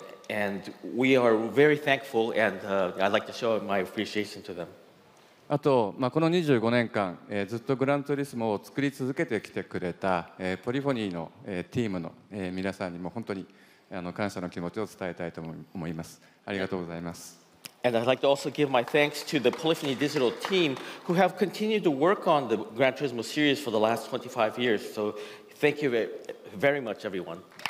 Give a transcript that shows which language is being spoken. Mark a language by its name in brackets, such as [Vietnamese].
[English] And we are very thankful, and I'd like to show my appreciation to them. [Japanese] あと、この 25年間、ずっとグランツーリスモを作り続けてきてくれた、ポリフォニーの、チームの、皆さんにも本当に、感謝の気持ちを伝えたいと思います。ありがとうございます。 [English] And I'd like to also give my thanks to the Polyphony Digital team who have continued to work on the Gran Turismo series for the last 25 years. So thank you very much, everyone.